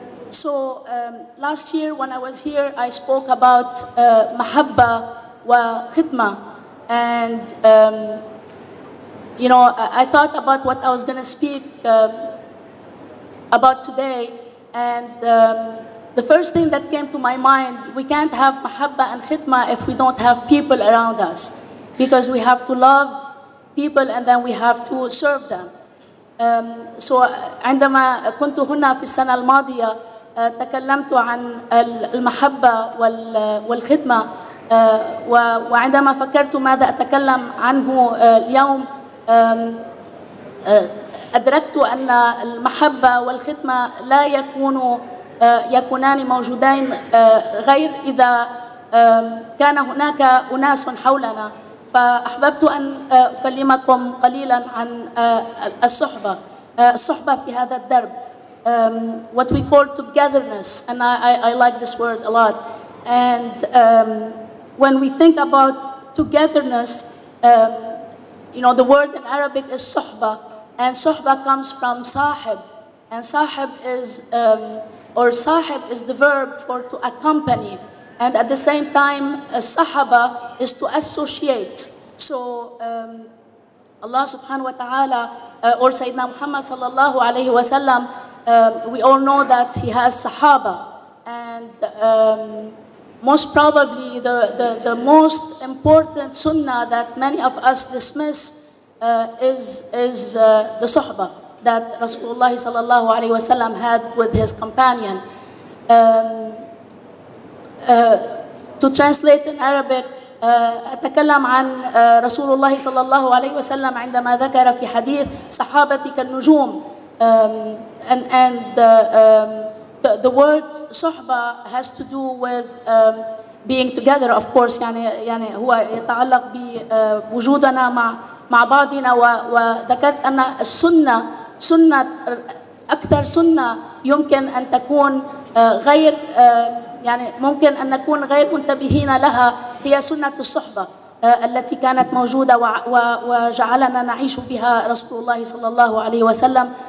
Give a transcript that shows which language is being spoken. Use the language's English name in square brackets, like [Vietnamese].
[English] So last year when I was here, I spoke about mahabba wa khidma, and you know, I thought about what I was going to speak about today, and the first thing that came to my mind, we can't have mahabba and khidma if we don't have people around us, because we have to love people and then we have to serve them. [Arabic] So عندما كنت هنا في السنة الماضية تكلمت عن المحبة والخدمة، وعندما فكرت ماذا أتكلم عنه اليوم أدركت أن المحبة والخدمة لا يكونان موجودين غير إذا كان هناك أناس حولنا. فأحببت أن أكلمكم قليلاً عن الصحبة، الصحبة في هذا الدرب. [English] What we call togetherness, and I like this word a lot. And when we think about togetherness, you know, the word in Arabic is صحبة, and صحبة comes from صاحب. And صاحب is, or صاحب is the verb for to accompany. And at the same time, sahaba is to associate. So Allah subhanahu wa ta'ala, or Sayyidina Muhammad sallallahu alayhi wa sallam, we all know that he has sahaba. And most probably the most important sunnah that many of us dismiss is the sahaba that Rasulullah sallallahu alayhi wa sallam had with his companion. To translate in Arabic, [Arabic] أتكلم عن رسول الله صلى الله عليه وسلم عندما ذكر في حديث صحابتك النجوم، and [English] the word صحبه has to do with being together, of course. [Arabic] يعني هو يتعلق بوجودنا مع بعضنا. وذكرت ان السنه سنه اكثر سنه يمكن ان تكون غير يعني ممكن ان نكون غير منتبهين لها هي سنه الصحبه التي كانت موجودة وجعلنا نعيش بها رسول الله صلى الله عليه وسلم.